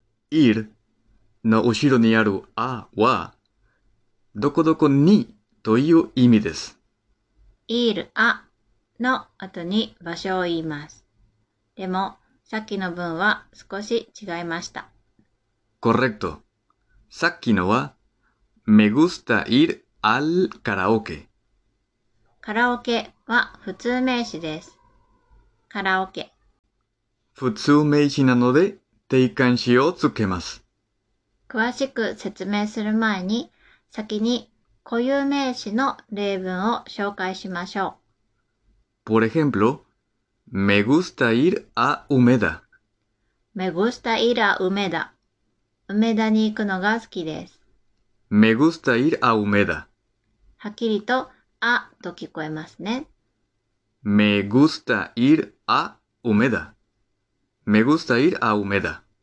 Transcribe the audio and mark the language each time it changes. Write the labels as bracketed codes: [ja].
[ja] Ir の後ろにある a はどこどこにという意味です。いるあの後に場所を言います。でも、さっきの文は少し違いました。 [es] Correcto. [ja] さっきのは、 [es] me gusta ir al karaoke。 [ja] カラオケは普通名詞です。カラオケ。普通名詞なので、定冠詞をつけます。詳しく説明する前に、先に固有名詞の例文を紹介しましょう。 [es] Por ejemplo, me gusta ir a Umeda. Me gusta ir a Umeda. [ja] Umeda に行くのが好きです。 [es] Me gusta ir a Umeda. [ja] はっきりとあと聞こえますね。 [es] Me gusta ir a Umeda. Me gusta ir a Umeda.